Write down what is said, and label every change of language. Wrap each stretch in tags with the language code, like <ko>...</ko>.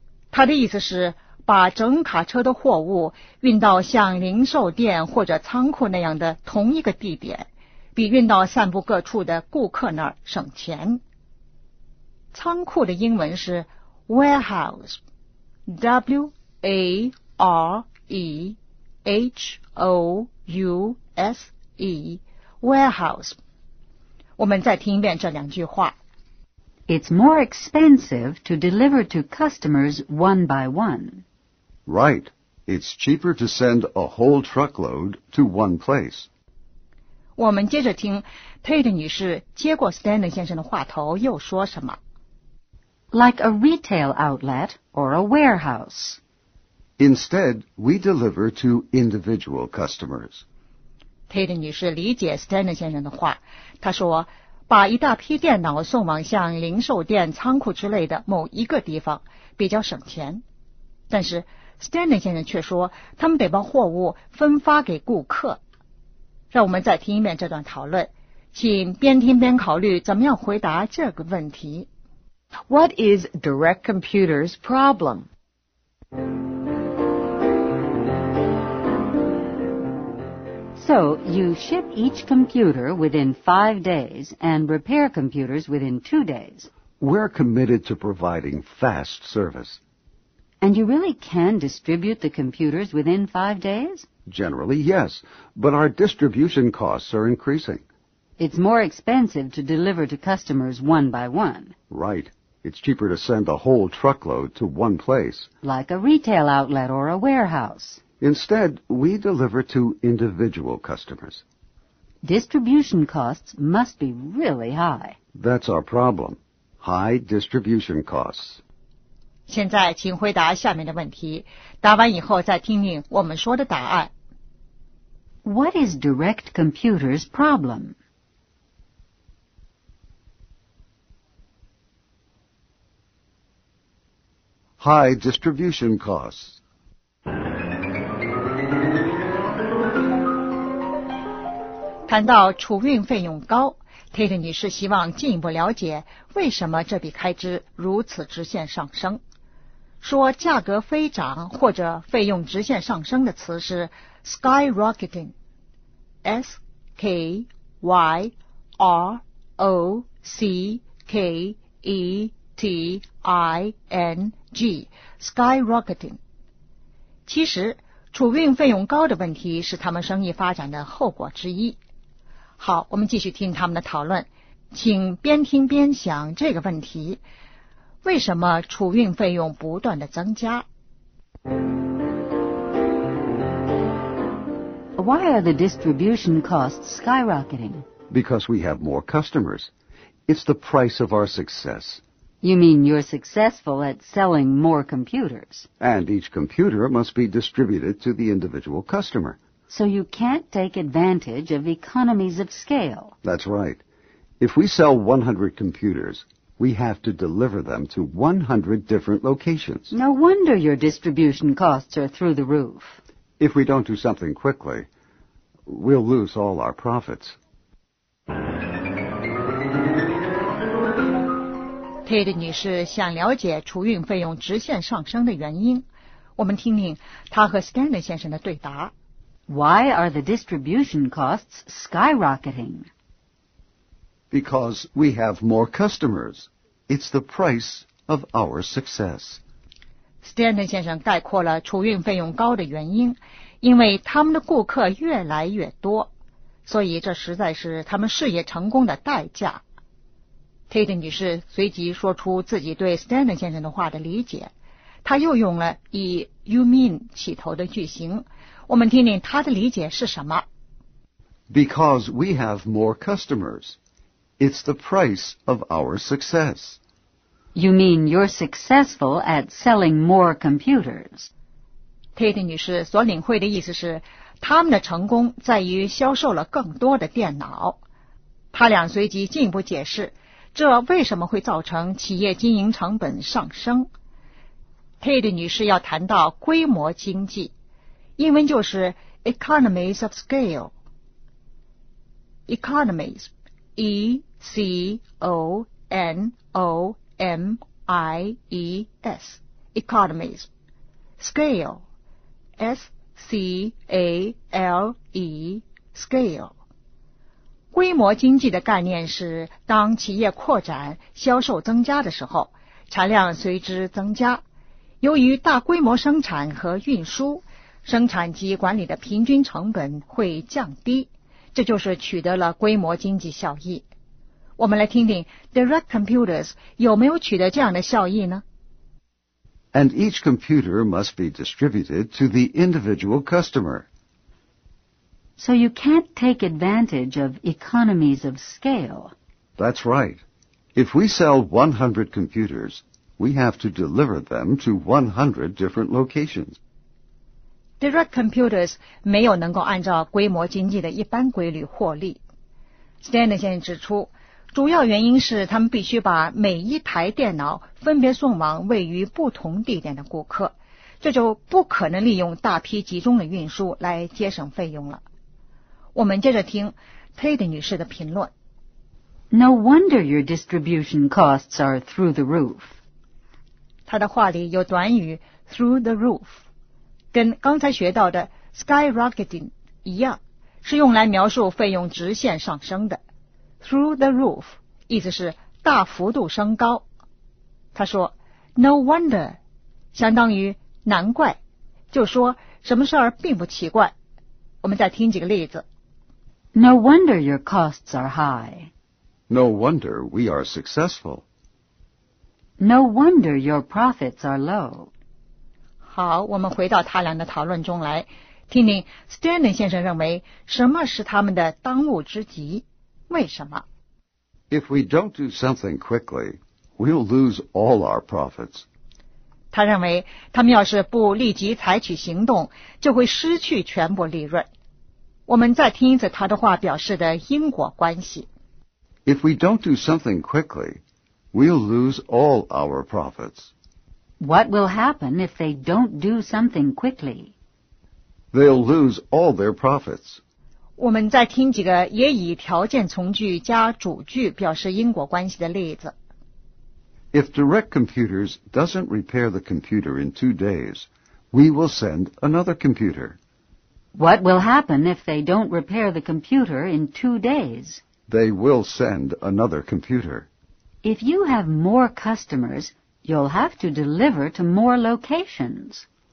<zh>他的意思是把整卡车的货物运到像零售店或者仓库那样的同一个地点，比运到散布各处的顾客那儿省钱。仓库的英文是 warehouse, W-A-R-E-H-O-U-S-E, warehouse. 我们再听一遍这两句话。</zh> <en>It's more expensive to deliver to customers one by one. Right. It's cheaper to send a whole truckload to one place.</en> <zh>我们接着听 Tate 女士接过 Stanley 先生的话头又说什么。</zh> <en>Like a retail outlet or a warehouse. Instead, we deliver to individual customers.</en> <zh>Tate 女士理解 Stanley 先生的话，她说把一大批电脑送往像零售店、仓库之类的某一个地方比较省钱，但是 Stanley 先生却说他们得把货物分发给顾客。让我们再听一遍这段讨论，请边听边考虑怎么样回答这个问题。</zh> <en>What is Direct Computer's problem? So, you ship each computer within 5 days and repair computers within 2 days. We're committed to providing fast service. And you really can distribute the computers within 5 days? Generally, yes. But our distribution costs are increasing. It's more expensive to deliver to customers one by one. Right. It's cheaper to send a whole truckload to one place. Like a retail outlet or a warehouse. Instead, we deliver to individual customers. Distribution costs must be really high. That's our problem. High distribution costs.</en> <zh>现在请回答下面的问题，答完以后再听听我们说的答案。</zh> <en>What is Direct Computer's problem? High distribution costs.</en> <zh>谈到储运费用高， Tate 女士希望进一步了解为什么这笔开支如此直线上升。说价格飞涨或者费用直线上升的词是 skyrocketing, S-K-Y-R-O-C-K-E-T-I-N-G, skyrocketing. 其实储运费用高的问题是他们生意发展的后果之一。好，我们继续听他们的讨论，请边听边想这个问题，为什么储运费用不断的增加？</zh> <en>Why are the distribution costs skyrocketing? Because we have more customers. It's the price of our success. You mean you're successful at selling more computers? And each computer must be distributed to the individual customer. So you can't take advantage of economies of scale. That's right. If we sell 100 computers, we have to deliver them to 100 different locations. No wonder your distribution costs are through the roof. If we don't do something quickly, we'll lose all our profits.</en> <zh>Tate 女士想了解储运费用直线上升的原因。我们听听她和 Stanley 先生的对答。</zh> <en>Why are the distribution costs skyrocketing? Because we have more customers. It's the price of our success.</en> <zh>Stanton 先生概括了储运费用高的原因，因为他们的顾客越来越多，所以这实在是他们事业成功的代价。 Tate 女士随即说出自己对 Stanton 先生的话的理解，她又用了以</zh> <en>you mean</en> <zh>起头的句型，我们听听她的理解是什么。</zh> <en>Because we have more customers. It's the price of our success. You mean you're successful at selling more computers.</en> <zh>Tate 女士所领会的意思是，他们的成功在于销售了更多的电脑。他俩随即进一步解释，这为什么会造成企业经营成本上升。 Tate 女士要谈到规模经济，英文就是</zh> <en>economies of scale。 Economies, E-C-O-N-O-M-I-E-S, economies, scale, S-C-A-L-E, scale.</en> <zh>规模经济的概念是当企业扩展、销售增加的时候，产量随之增加。由于大规模生产和运输，生产及管理的平均成本会降低。这就是取得了规模经济效益。我们来听听 Direct Computers 有没有取得这样的效益呢？</zh> <en>And each computer must be distributed to the individual customer. So you can't take advantage of economies of scale. That's right. If we sell 100 computers, we have to deliver them to 100 different locations.</en> <zh>Direct Computers 没有能够按照规模经济的一般规律获利。 Stanton 先生指出，主要原因是他们必须把每一台电脑分别送往位于不同地点的顾客，这就不可能利用大批集中的运输来节省费用了。我们接着听 Tate 女士的评论。</zh> <en>No wonder your distribution costs are through the roof.</en> <zh>她的话里有短语</zh> <en>through the roof。</en> <zh>跟刚才学到的 skyrocketing 一样，是用来描述费用直线上升的。</zh> <en>through the roof</en> <zh>意思是大幅度升高。他说</zh> <en>no wonder</en> <zh>相当于难怪，就说什么事儿并不奇怪。我们再听几个例子。</zh> <en>No wonder your costs are high. No wonder we are successful. No wonder your profits are low.</en> <zh>好，我们回到他俩的讨论中来，听听 Stanton 先生认为什么是他们的当务之急，为什么？</zh> <en>If we don't do something quickly, we'll lose all our profits.</en> <zh>他认为他们要是不立即采取行动，就会失去全部利润。我们再听一次他的话表示的因果关系。</zh> <en>If we don't do something quickly, we'll lose all our profits. What will happen if they don't do something quickly? They'll lose all their profits.</en> <zh>我们再听几个也以条件从句加主句表示因果关系的例子。</zh> <en>If Direct Computers doesn't repair the computer in 2 days, we will send another computer. What will happen if they don't repair the computer in 2 days? They will send another computer. If you have more customers,You'll have to deliver to more locations.</en>